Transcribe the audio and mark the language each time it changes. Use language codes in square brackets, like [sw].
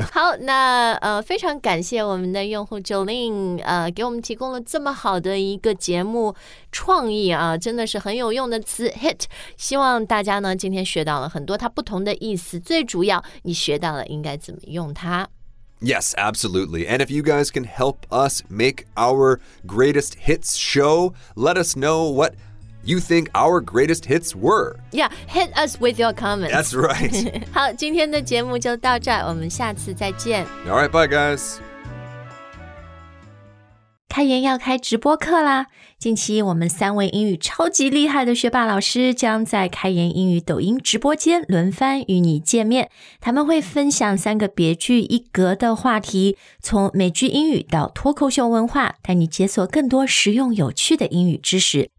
[zh] 好，那非常感谢我们的用户 Jolene, 给我们提供了这么好的一个节目创意啊，真的是很有用的词 hit。希望大家呢今天学到了很多它不同的意思，最主要你学到了应该怎么用它。 [en] Yes, absolutely. And if you guys can help us make our greatest hits show, let us know what you think our greatest hits were. Yeah, hit us with your comments. That's right. [zh] 好，今天的节目就到这儿，我们下次再见。 [en] All right, bye guys. [zh] 开言要开直播课啦！近期我们三位英语超级厉害的学霸老师将在开言英语抖音直播间轮番与你见面，他们会分享三个别具一格的话题，从美剧英语到脱口秀文化，带你解锁更多实用有趣的英语知识。